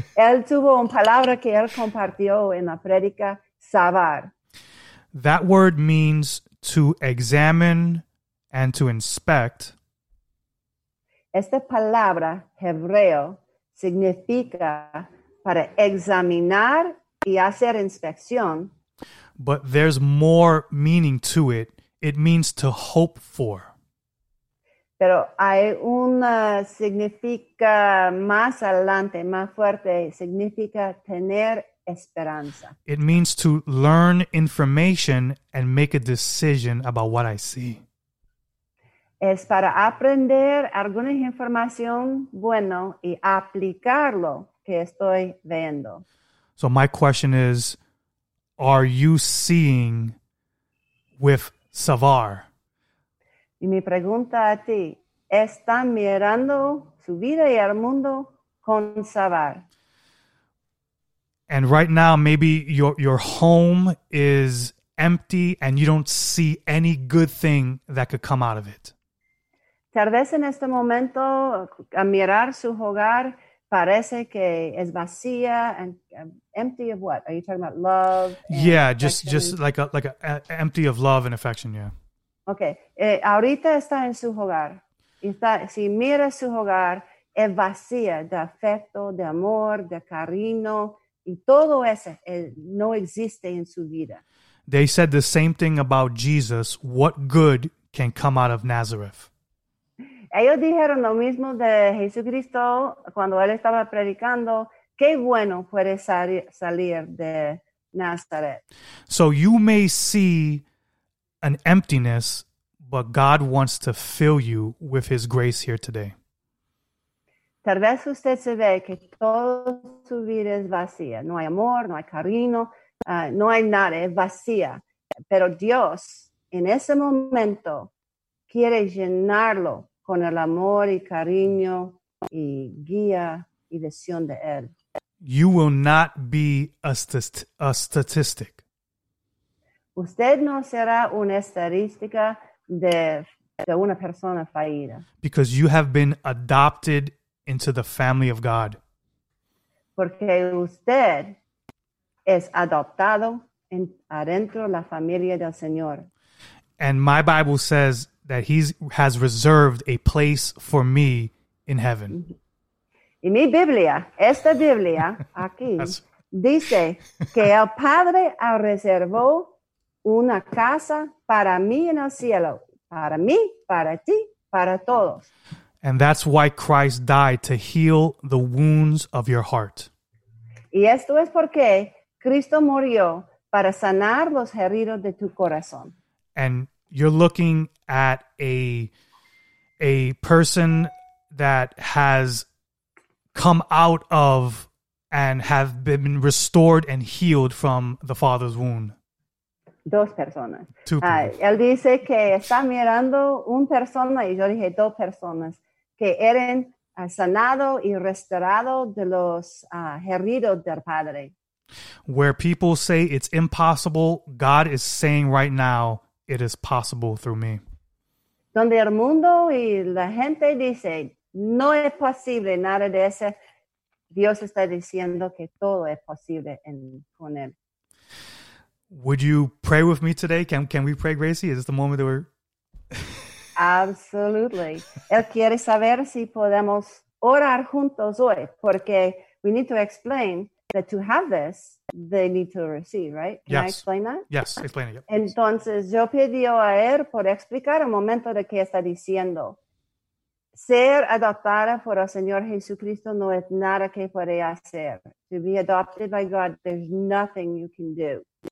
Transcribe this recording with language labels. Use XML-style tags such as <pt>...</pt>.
<es>Él tuvo una palabra que él compartió en la predica, savar.</es> <en>That word means to examine and to inspect.</en> <es>Esta palabra hebreo significa para examinar y hacer inspección.</es> <en>But there's more meaning to it. It means to hope for.</en> <es>Pero hay una significa más adelante, más fuerte, significa tener esperanza.</es> <en>It means to learn information and make a decision about what I see.</en> <es>Es para aprender alguna información buena y aplicarlo que estoy viendo.</es> <en>So my question is, are you seeing with Savar?</en> <es>Y mi pregunta a ti. Están mirando su vida y el mundo con Savar.</es> <en>And right now, maybe your home is empty and you don't see any good thing that could come out of it.</en> <es>Tal vez en este momento, a mirar su hogar, parece que es vacía</es> <en>and empty of what? Are you talking about love? Yeah, just like a empty of love and affection, yeah.</en> <es>Okay, ahorita está en su hogar. Está, si mira su hogar, es vacía de afecto, de amor, de cariño, y todo eso no existe en su vida.</es> <en>They said the same thing about Jesus. What good can come out of Nazareth?</en> <es>Ellos dijeron lo mismo de Jesucristo cuando él estaba predicando. ¿Qué bueno puede salir de Nazaret?</es> <en>So you may see an emptiness, but God wants to fill you with his grace here today.</en> <es>Tal vez usted se ve que toda su vida es vacía. No hay amor, no hay cariño, no hay nada, es vacía. Pero Dios, en ese momento, quiere llenarlo con el amor y cariño y guía y visión de él.</es> <en>You will not be a statistic.</en> <es>Usted no será una estadística de una persona fallida.</es> <en>Because you have been adopted into the family of God.</en> <es>Porque usted es adoptado en, adentro la familia del Señor.</es> <en>And my Bible says that he has reserved a place for me in heaven.</en> <es>Y mi Biblia, esta Biblia aquí, dice que el Padre ha reservado una casa para mí en el cielo. Para mí, para ti, para todos.</es> <en>And that's why Christ died, to heal the wounds of your heart.</en> <es>Y esto es porque Cristo murió para sanar los heridos de tu corazón.</es> <en>And you're looking at a person that has come out of and have been restored and healed from the Father's wound.</en> <es>Dos personas.</es> <en>Two people.</en> <es>Él dice que está mirando un persona, y yo dije dos personas, que eran sanado y restaurado de los heridos del Padre.</es> <en>Where people say it's impossible, God is saying right now, it is possible through me.</en> <es>Donde el mundo y la gente dice, no es posible nada de eso, Dios está diciendo que todo es posible en, con él.</es> <en>Would you pray with me today? Can we pray, Gracie? Is this the moment that we're... Absolutely.</en> <es>Él quiere saber si podemos orar juntos hoy, porque</es> <en>we need to explain that to have this, they need to receive, right? Can I explain that? Yes, explain it. Yep.</en> <es>Entonces, yo pedí a él por explicar el momento de que está diciendo. Ser adoptada por el Señor Jesucristo no es nada que puede hacer.</es> <en>To be adopted by God, there's nothing you can do.</en>